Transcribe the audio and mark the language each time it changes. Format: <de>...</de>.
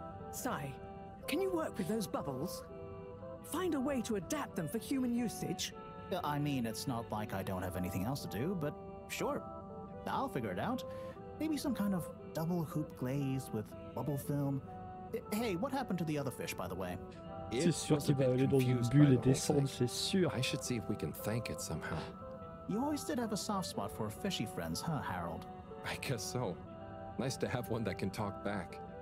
<en>Sai, can you work with those bubbles? Find a way to adapt them for human usage? I mean, it's not like I don't have anything else to do, but sure, I'll figure it out. Maybe some kind of double hoop glaze with bubble film. Hey, what happened to the other fish, by the way?</en> <fr>C'est sûr qu'il va aller dans une bulle et descendre, c'est sûr.</fr> <en>I should see if we can thank it somehow. You always did have a soft spot for fishy friends, huh, Harold? I guess so. Nice to have one that can talk back.</en>